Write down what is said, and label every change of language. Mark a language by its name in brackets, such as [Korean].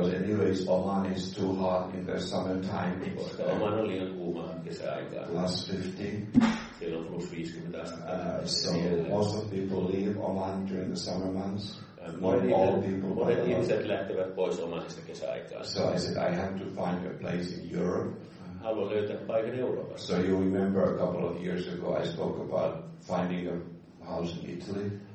[English] Because anyways, Oman is too hot in the summertime. [Finnish] Koska Oman on liian kuuma kesäaikaan. [English] Plus 50. [Finnish] Siellä on plus 50 astetta. [English] So most of people leave Oman during the summer months. [Finnish] Monet ihmiset lähtevät pois Omanista kesäaikaan. [English] So I said, I have to find a place in Europe. [Finnish] Haluan löytää paikan Euroopassa. [English] So you remember a couple of years ago I spoke about finding a house in Italy.